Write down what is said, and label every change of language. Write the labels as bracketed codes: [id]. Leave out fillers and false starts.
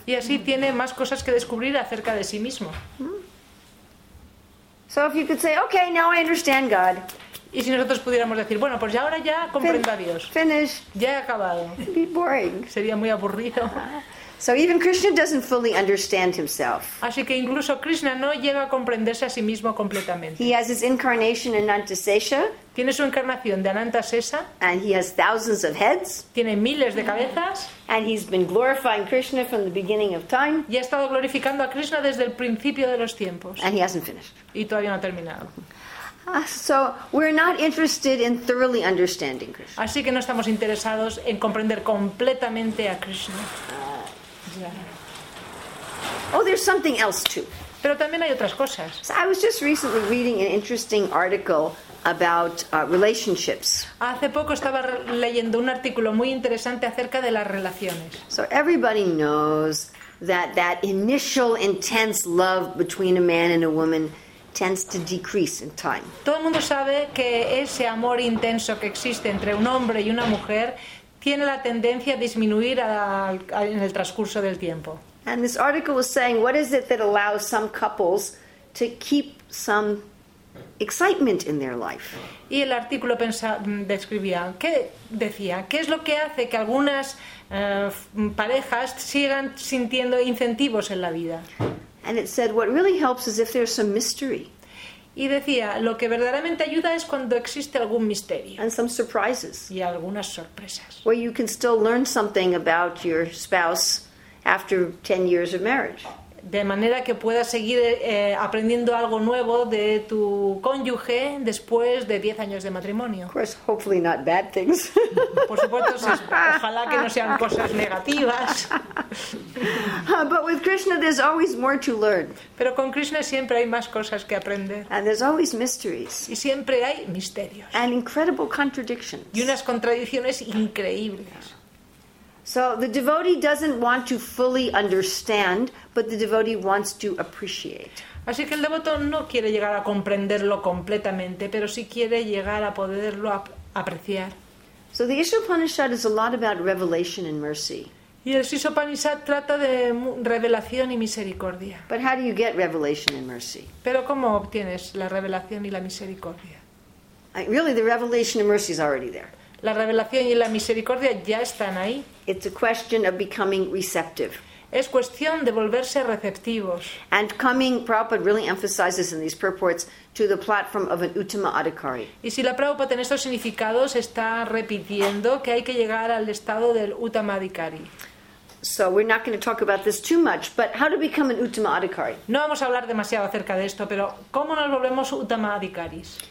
[es] Y así tiene más cosas que descubrir acerca de sí mismo. [en] So if you could say, okay, now I understand God. [es] Y si nosotros pudiéramos decir, bueno, pues ahora ya comprendo a Dios. [en] Finish. [es] Ya he acabado. [en] It'd be boring. [es] Sería muy aburrido. [en] So even Krishna doesn't fully understand himself. [es] Así que incluso Krishna no llega a comprenderse a sí mismo completamente. [en] He has his incarnation in Anantasesha. [es] Tiene su encarnación de Anantasesha. [en] And he has thousands of heads. [es] Tiene miles de cabezas. [en] And he's been glorifying Krishna from the beginning of time. [es] Y ha estado glorificando a Krishna desde el principio de los tiempos. [en] And he hasn't finished. [es] Y todavía no ha terminado. [en] So we're not interested in thoroughly understanding Krishna. [es] Así que no estamos interesados en comprender completamente a Krishna. [en] Yeah. Oh, there's something else too. [es] Pero también hay otras cosas. [en] So I was just recently reading an interesting article about relationships. [es] Hace poco estaba leyendo un artículo muy interesante acerca de las relaciones. [en] So everybody knows that initial intense love between a man and a woman tends to decrease in time. [es] Todo el mundo sabe que ese amor intenso que existe entre un hombre y una mujer tiene la tendencia a disminuir en el transcurso del tiempo. [en] And this article was saying, what is it that allows some couples to keep some excitement in their life? [es] Y el artículo describía, ¿qué decía? ¿Qué es lo que hace que algunas parejas sigan sintiendo incentivos en la vida? [en] And it said, what really helps is if there's some mystery. [es] Y decía, lo que verdaderamente ayuda es cuando existe algún misterio. [en] And some surprises. [es] Y algunas sorpresas. [en] Where you can still learn something about your spouse after 10 years of marriage. [es] De manera que puedas seguir aprendiendo algo nuevo de tu cónyuge después de 10 años de matrimonio. [en] Of course, hopefully not bad things. [es] Por supuesto, ojalá que no sean cosas negativas. [en] But with Krishna, there's always more to learn. [es] Pero con Krishna siempre hay más cosas que aprender. [en] And there's always mysteries. [es] Y siempre hay misterios. [en] And incredible contradictions. [es] Y unas contradicciones increíbles. [en] So the devotee doesn't want to fully understand, but the devotee wants to appreciate. [es] Así que el devoto no quiere llegar a comprenderlo completamente, pero sí quiere llegar a poderlo apreciar. [en] So the Isopanishad is a lot about revelation and mercy. [es] Y el Isopanishad trata de revelación y misericordia. [en] But how do you get revelation and mercy? [es] Pero ¿cómo obtienes la revelación y la misericordia? [en] Really, the revelation and mercy is already there. [es] La revelación y la misericordia ya están ahí. [en] It's a question of becoming receptive. [es] Es cuestión de volverse receptivos. [en] And coming, Prabhupada really emphasizes in these purports, to the platform of an Uttama Adhikari. [es] Y si la Prabhupada en estos significados está repitiendo que hay que llegar al estado del Uttama Adhikari. [en] So we're not going to talk about this too much, but how to become an Uttama Adhikari? [es] No vamos a hablar demasiado acerca de esto, pero ¿cómo nos volvemos Uttama Adhikaris?